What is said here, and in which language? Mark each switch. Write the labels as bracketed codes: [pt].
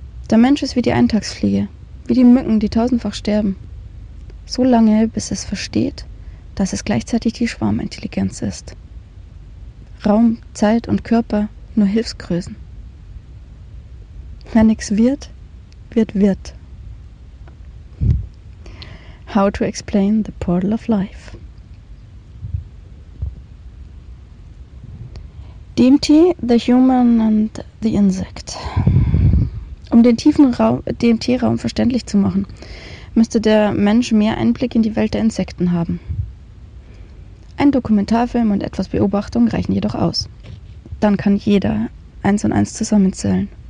[de] Der Mensch ist wie die Eintagsfliege, wie die Mücken, die tausendfach sterben. So lange, bis es versteht, dass es gleichzeitig die Schwarmintelligenz ist. Raum, Zeit und Körper nur Hilfsgrößen. Wer nichts wird, wird Wirt. [en] How to explain the portal of life. DMT, The Human and the Insect. [de] Um den tiefen DMT-Raum verständlich zu machen, müsste der Mensch mehr Einblick in die Welt der Insekten haben. Ein Dokumentarfilm und etwas Beobachtung reichen jedoch aus. Dann kann jeder eins und eins zusammenzählen.